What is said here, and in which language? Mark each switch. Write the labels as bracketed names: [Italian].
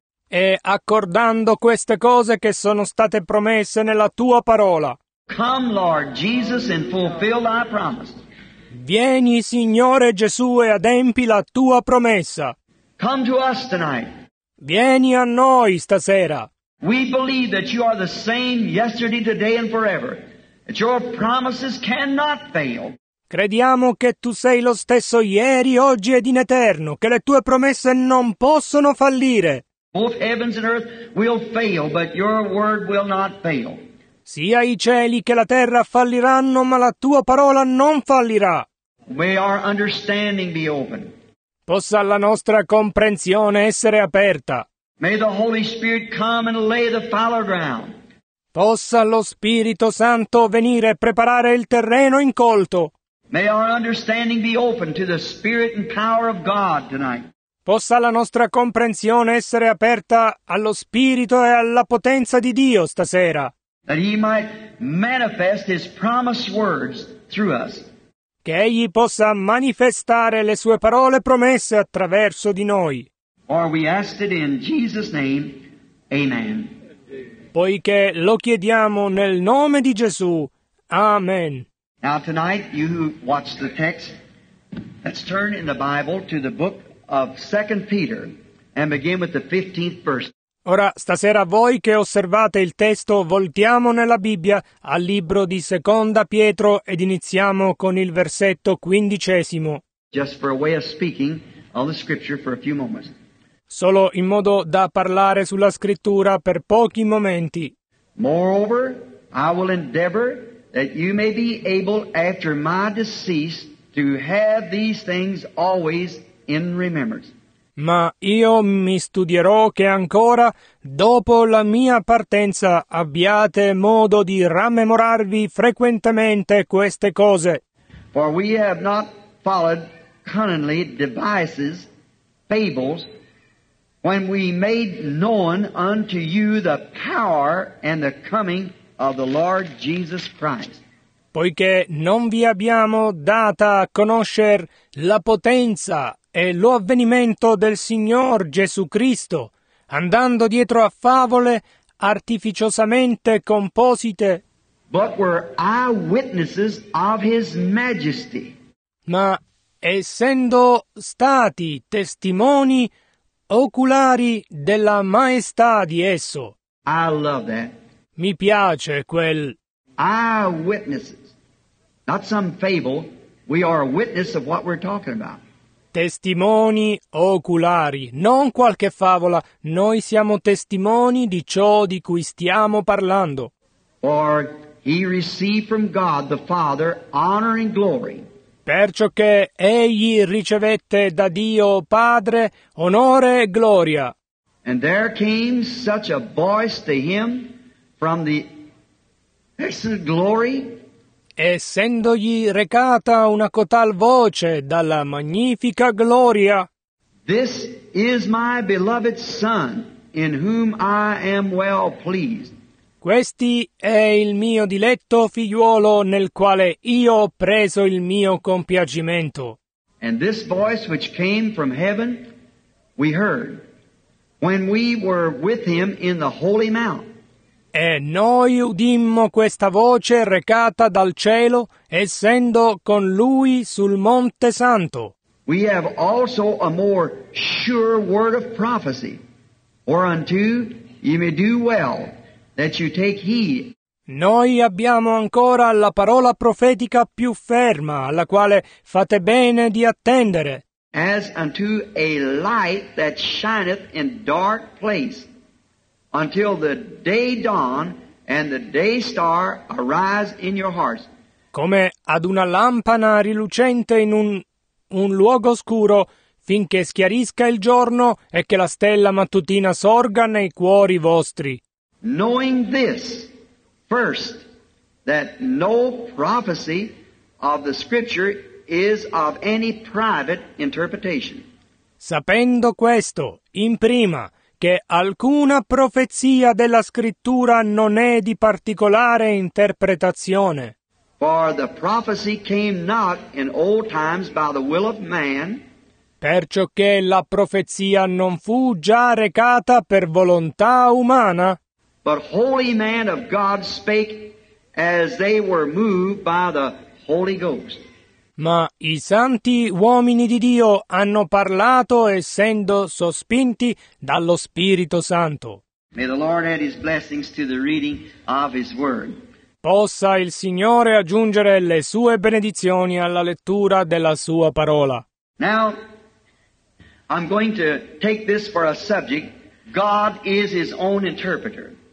[Italian] E accordando queste cose che sono state promesse nella tua parola. [English] Come, Lord Jesus, and fulfill thy promise. [Italian] Vieni, Signore Gesù, e adempi la tua promessa. [English] Come to us tonight. [Italian] Vieni a noi stasera. [English] We believe that you are the same yesterday, today, and forever. That your promises cannot fail. [Italian] Crediamo che tu sei lo stesso ieri, oggi ed in eterno, che le tue promesse non possono fallire. [English] Both heavens and earth will fail, but your word will not fail. [Italian] Sia i cieli che la terra falliranno, ma la tua parola non fallirà. [English] May our understanding be open. [Italian] Possa la nostra comprensione essere aperta. [English] May the Holy Spirit come and lay the fallow ground. [Italian] Possa lo Spirito Santo venire e preparare il terreno incolto. [English] May our understanding be open to the Spirit and power of God tonight. [Italian] Possa la nostra comprensione essere aperta allo Spirito e alla potenza di Dio stasera. [English] That He might manifest His promised words through us. [Italian] che egli possa manifestare le sue parole promesse attraverso di noi. [English] Or we ask it in Jesus' name. Amen. [Italian] Poiché lo chiediamo nel nome di Gesù. Amen. [English] Now tonight, you who watch the text, let's turn in the Bible to the book of 2 Peter and begin with the 15th verse. [Italian] Ora, stasera voi che osservate il testo, voltiamo nella Bibbia al libro di Seconda Pietro ed iniziamo con il versetto quindicesimo. [English] Just for a way of speaking on the scripture for a few moments. [Italian] Solo in modo da parlare sulla scrittura per pochi momenti. [English] Moreover, I will endeavor that you may be able after my decease to have these things always in remembrance. [Italian] Ma io mi studierò che ancora, dopo la mia partenza, abbiate modo di rammemorarvi frequentemente queste cose. [English] For we have not followed cunningly devices, fables, when we made known unto you the power and the coming of the Lord Jesus Christ. [Italian] Poiché non vi abbiamo data a conoscer la potenza e lo avvenimento del Signor Gesù Cristo, andando dietro a favole artificiosamente composite, [English] but were eyewitnesses of his majesty. [Italian] Ma essendo stati testimoni oculari della maestà di esso. [English] I love that. [Italian] Mi piace quel [English] eyewitnesses, not some fable. We are a witness of what we're talking about. [Italian] Testimoni oculari, non qualche favola. Noi siamo testimoni di ciò di cui stiamo parlando. [English] For he received from God the Father honor and glory. [Italian] Perciò che egli ricevette da Dio Padre onore e gloria. [English] And there came such a voice to him from the excellent glory. [Italian] Essendogli recata una cotal voce dalla magnifica gloria. [English] This is my beloved son, in whom I am well pleased. [Italian] Questi è il mio diletto figliuolo nel quale io ho preso il mio compiacimento. [English] And this voice which came from heaven we heard when we were with him in the holy mount. [Italian] E noi udimmo questa voce recata dal cielo, essendo con lui sul Monte Santo. [English] We have also a more sure word of prophecy, whereunto ye may do well that you take heed. [Italian] Noi abbiamo ancora la parola profetica più ferma, alla quale fate bene di attendere. [English] As unto a light that shineth in dark place, until the day dawn and the day star arise in your hearts. [Italian] Come ad una lampada rilucente in un luogo scuro, finché schiarisca il giorno e che la stella mattutina sorga nei cuori vostri. [English] Knowing this, first, that no prophecy of the Scripture is of any private interpretation. [Italian] Sapendo questo, in prima, che alcuna profezia della Scrittura non è di particolare interpretazione. [English] For the prophecy came not in old times by the will of man. [Italian] Perciò che la profezia non fu già recata per volontà umana. [English] But holy men of God spake as they were moved by the Holy Ghost. [Italian] Ma i santi uomini di Dio hanno parlato essendo sospinti dallo Spirito Santo. [English] May the Lord add his blessings to the reading of his word. [Italian] Possa il Signore aggiungere le sue benedizioni alla lettura della sua parola. [English] Now I'm going to take this for a subject. God is his own interpreter.